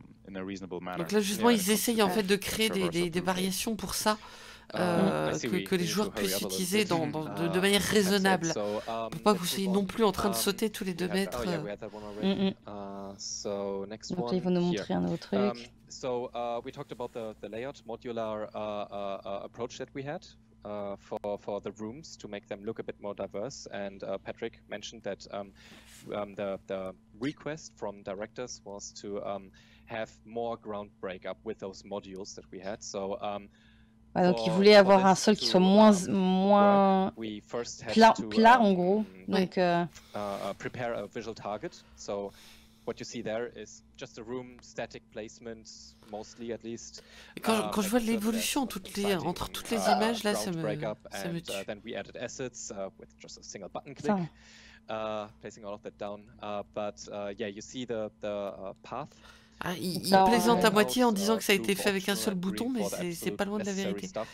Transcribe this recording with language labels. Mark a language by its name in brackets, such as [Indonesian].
[French] Donc là, justement, ils essayent en fait de créer des variations pour ça. Que les joueurs puissent utiliser de manière raisonnable, pour pas que vous soyez non plus en train de sauter tous les deux mètres. Donc ils vont nous montrer un autre truc. [English] We talked about the layout modular approach that we had for the rooms to make them look a bit more diverse. And Patrick mentioned that the request from directors was to have more ground break up with those modules that we had. So [French] Donc ils voulaient avoir un sol qui soit moins plat en gros. Donc [English] prepare a visual target. So what you see there is just a room static placement, mostly at least. [French] Quand je vois l'évolution entre toutes les images là, ça me tue. [English] Then we added assets with just a single button click. Placing all of that down. But you see the path. [French] Ah, il plaisante à moitié en disant que ça a été fait avec un seul bouton, mais c'est pas loin de la vérité.